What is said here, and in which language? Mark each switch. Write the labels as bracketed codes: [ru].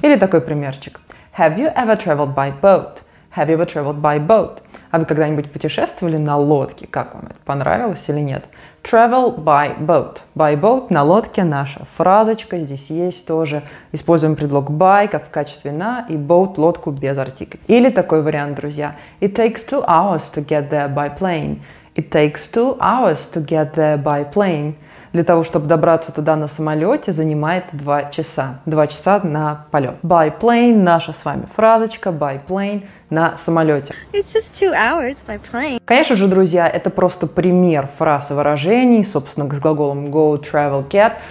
[ru] Или такой примерчик. [en] Have you ever traveled by boat? Have you ever traveled by boat? [ru] А вы когда-нибудь путешествовали на лодке? Как вам это? Понравилось или нет? [en] Travel by boat. [ru] By boat на лодке наша фразочка. Здесь есть тоже. Используем предлог by как в качестве на и boat лодку без артикля. Или такой вариант, друзья. [en] It takes 2 hours to get there by plane. It takes 2 hours to get there by plane. [ru] Для того, чтобы добраться туда на самолете, занимает 2 часа. 2 часа на полет. By plane наша с вами фразочка. By plane. На самолете. [en] It's just 2 hours by plane. [ru] Конечно же, друзья, это просто пример фраз и выражений, собственно, с глаголом go, travel, get.